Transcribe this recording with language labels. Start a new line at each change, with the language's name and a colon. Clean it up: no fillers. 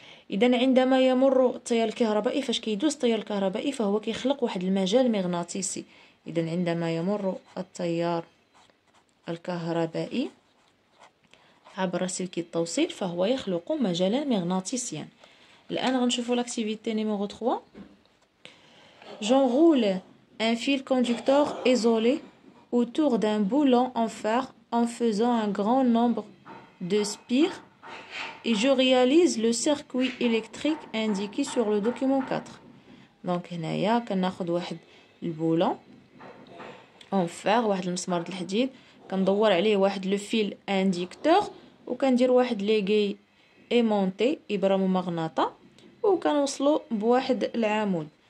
Arabic: إذا عندما يمر التيار الكهربائي، فاش كيدوز التيار الكهربائي فهو كيخلق واحد المجال مغناطيسي. إذا عندما يمر التيار الكهربائي عبر سلك التوصيل فهو يخلق مجالا مغناطيسيا. الان غنشوفوا لاكتيفيتي نيميرو 3.
French: J'enroule un fil conducteur isolé autour d'un boulon en fer en faisant un grand nombre de spires et je réalise le circuit électrique indiqué sur le document 4.
Arabic: Donc, هنايا كناخذ واحد البولون اون فير واحد المسمار ديال الحديد كندور عليه واحد لو فيل انديكتور وكندير واحد ليغي ايمونتي ابرام مغناطه وكنوصلو بواحد العمود.